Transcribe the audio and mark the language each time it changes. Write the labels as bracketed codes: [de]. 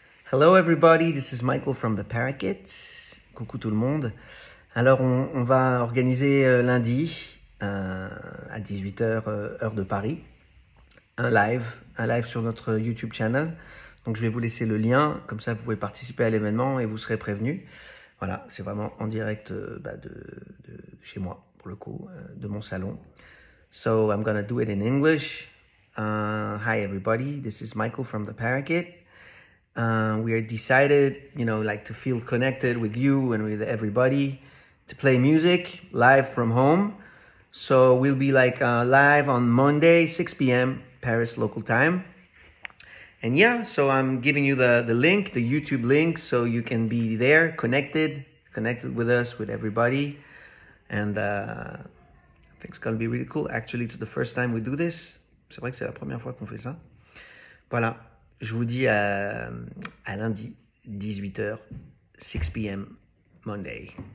[en] Hello everybody, this is Michael from the Parakeet. [fr] Coucou tout le monde. Alors on va organiser lundi à 18h heure de Paris un live sur notre YouTube channel. Donc je vais vous laisser le lien, comme ça vous pouvez participer à l'événement et vous serez prévenus. Voilà, c'est vraiment en direct de chez moi pour le coup, de mon salon. [en] So I'm gonna do it in English. Hi everybody, this is Michael from the Parakeet. We are decided, you know, like to feel connected with you and with everybody to play music live from home. So we'll be like live on Monday, 6 p.m. Paris local time. And yeah, so I'm giving you the link, the YouTube link, so you can be there connected with us, with everybody. And I think it's going to be really cool. Actually, it's the first time we do this. [fr] C'est vrai que c'est la première fois qu'on fait ça. Voilà. Je vous dis à lundi, 18h, [en] 6 p.m., Monday.